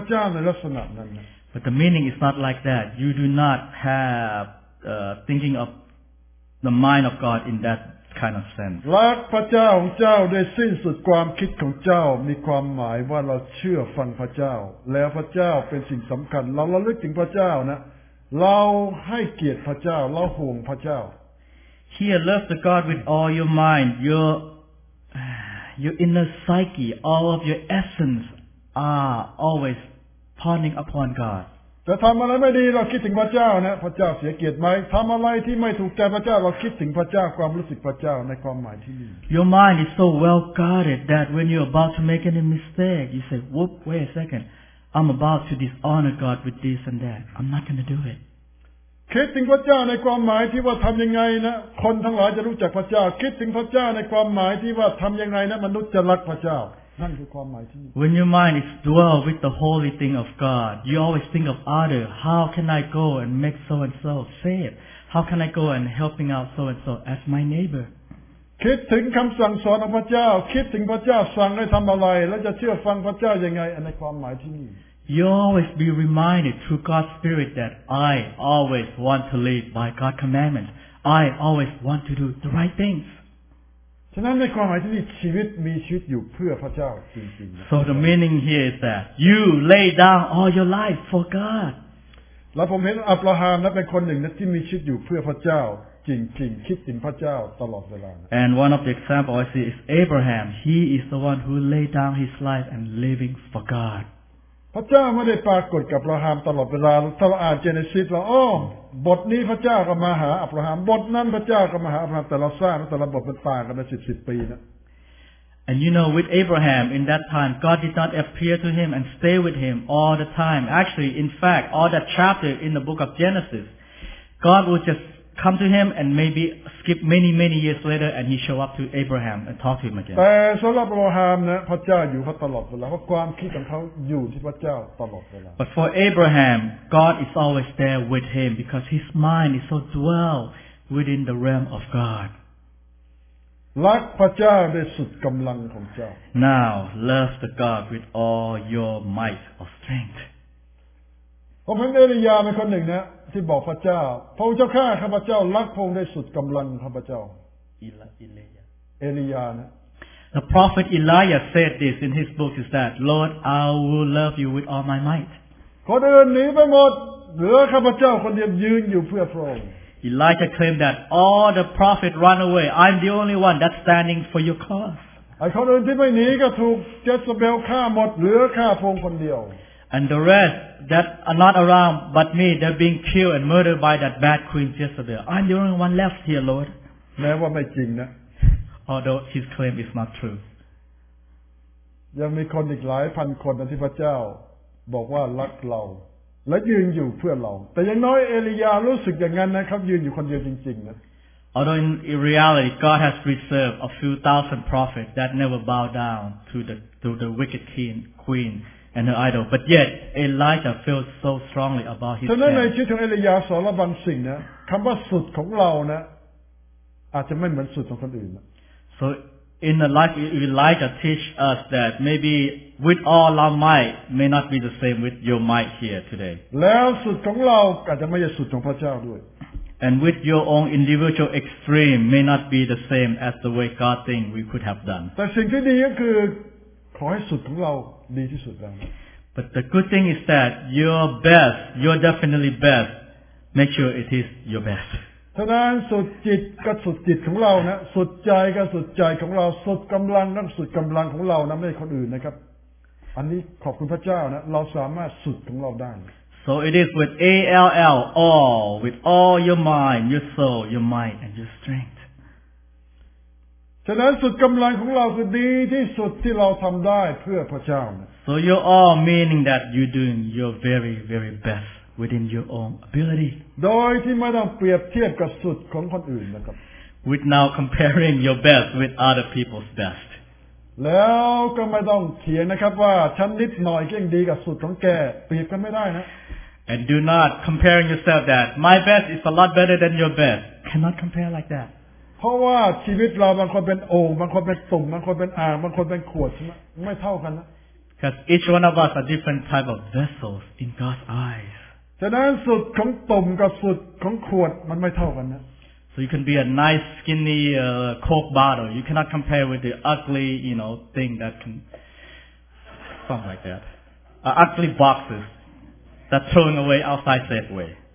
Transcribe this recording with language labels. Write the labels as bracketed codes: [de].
[en] But the meaning is not like that. You do not have thinking of the mind of God in that kind of sense. [th] รักพระเจ้าของเจ้าด้วยสิ้นสุดความคิดของเจ้ามีความหมายว่าเราเชื่อฟังพระเจ้าแล้วพระเจ้าเป็นสิ่งสำคัญเราระลึกถึงพระเจ้านะเราให้เกียรติพระเจ้าเราห่วงพระเจ้า [en] Here, love the God with all your mind, your inner psyche, all of your essence are always pointing upon God. [th] แต่ทำอะไรไม่ดีเราคิดถึงพระเจ้านะพระเจ้าเสียเกียรติไหมทำอะไรที่ไม่ถูกใจพระเจ้าเราคิดถึงพระเจ้าความรู้สึกพระเจ้าในความหมายที่นี่ [en] Your mind is so well guarded that when you're about to make any mistake, you say, "Whoop! Wait a second! I'm about to dishonor God with this and that. I'm not going to do it." [th] คิดถึงพระเจ้าในความหมายที่ว่าทำยังไงนะคนทั้งหลายจะรู้จักพระเจ้าคิดถึงพระเจ้าในความหมายที่ว่าทำยังไงนะมนุษย์จะรักพระเจ้านั่นคือความหมายที่ [en] When your mind is dwell with the holy thing of God, you always think of other. How can I go and make so and so safe? How can I go and helping out so and so as my neighbor? [th] คิดถึงคำสั่งสอนของพระเจ้าคิดถึงพระเจ้าสั่งให้ทำอะไรแล้วจะเชื่อฟังพระเจ้ายังไงในความหมายที่นี่ [en] You always be reminded through God's Spirit that I always want to lead by God's commandments. I always want to do the right things. [th] ฉะนั้นในความหมายที่นี่ชีวิตมีชีวิตอยู่เพื่อพระเจ้าจริงๆ [en] So the meaning here is that you lay down all your life for God. [th] แล้วผมเห็นอับราฮัมนั้นเป็นคนหนึ่งที่มีชีวิตอยู่เพื่อพระเจ้าจริงๆคิดถึงพระเจ้าตลอดเวลา [en] And one of the example I see is Abraham. He is the one who laid down his life and living for God. [th] พระเจ้าไม่ได้ปรากฏกับอับราฮัมตลอดเวลาถ้าเราอ่านเจเนซิสเราอ้อบทนี้พระเจ้าก็มาหาอับราฮัมบทนั้นพระเจ้าก็มาหาอับราฮัมแต่เราทราบว่าแต่ละบทมันต่างกันไปสิบปีนะ [en] And you know with Abraham in that time God did not appear to him and stay with him all the time. Actually in fact all that chapter in the book of Genesis God would justcome to him and maybe skip many many years later and he show up to Abraham and talk to him again [th] แต่สําหรับอับราฮัมนะพระเจ้าอยู่เขาตลอดเวลาเพราะความคิดของเขาอยู่ที่พระเจ้าตลอดเวลา [en] But for Abraham God is always there with him because his mind is so dwell within the realm of God [th] รักพระเจ้าด้วยสุดกําลังของเจ้า [en] Now love the God with all your might or strength [th] ผมเห็นเอลียาห์เป็นคนหนึ่งนะที่บอกพระเจ้าพระเจ้าข้าข้าพระเจ้ารักพระองค์ได้สุดกำลังข้าพระเจ้า เอลียาห์ นะ [en] The prophet Elijah said this in his book is that Lord I will love you with all my might [th] คนอื่นหนีไปหมดเหลือข้าพระเจ้าคนเดียวยืนอยู่เพื่อพระองค์ [en] Elijah claimed that all the prophets run away I'm the only one that's standing for your cause [th] ไอ้คนอื่นที่ไม่หนีก็ถูกเจสเบลฆ่าหมดเหลือข้าพระองค์คนเดียว [en] And the rest that are not around but me, they're being killed and murdered by that bad queen Jezebel. I'm the only one left here, Lord. [th] แม้ว่าไม่จริงนะ [en] Although his claim is not true. [th] ยังมีคนอีกหลายพันคนที่พระเจ้าบอกว่ารักเราและยืนอยู่เพื่อเราแต่ยังน้อยเอลียารู้สึกอย่างนั้นนะครับยืนอยู่คนเดียวจริงๆนะ [en] Although in reality, God has reserved a few thousand prophets that never bow down to the wicked queen. And her idol, but yet Elijah feels so strongly about his. [th] ฉะนั้นในชีวิตของเอลียาห์สอนเราบางสิ่งนะคำว่าสุดของเรานะอาจจะไม่เหมือนสุดของคนอื่น [en] So in the life Elijah teach us that maybe with all our might may not be the same with your might here today. [th] แล้วสุดของเราอาจจะไม่ใช่สุดของพระเจ้าด้วย [en] And with your own individual extreme may not be the same as the way God think we could have done. [th] แต่สิ่งที่ดีก็คือขอให้สุดของเรา [en] But the good thing is that your best, your definitely best, make sure it is your best. [th] ฉะนั้นสุดจิตก็สุดจิตของเรานะสุดใจก็สุดใจของเราสุดกำลังนั้นสุดกำลังของเรานะไม่คนอื่นนะครับอันนี้ขอบคุณพระเจ้านะเราสามารถสุดของเราได้ [en] So it is with ALL, all, with all your mind, your soul, your might, and your strength. [th] ฉะนั้นสุดกำลังของเราคือดีที่สุดที่เราทำได้เพื่อพระเจ้า [en] So you're all meaning that you're doing your very very best within your own ability [th] โดยที่ไม่ต้องเปรียบเทียบกับสุดของคนอื่นนะครับ [en] Without comparing your best with other people's best [th] แล้วก็ไม่ต้องเถียงนะครับว่าฉันนิดหน่อยก็ยังดีกับสุดของแกเปรียบกันไม่ได้นะ [en] And do not compare yourself that my best is a lot better than your best cannot compare like that [th] เพราะว่าชีวิตเราบางคนเป็นโอ่งบางคนเป็นตุ่มบางคนเป็นอ่างบางคนเป็นขวดไม่เท่ากันนะ [en] Because each one of us are different type of vessels in God's eyes [th] ฉะนั้นสุดของตุ่มกับสุดของขวดมันไม่เท่ากันนะ [en] So you can be a nice skinny Coke bottle you cannot compare with the ugly you know thing that can something like that ugly boxes that throwing away outside Safeway.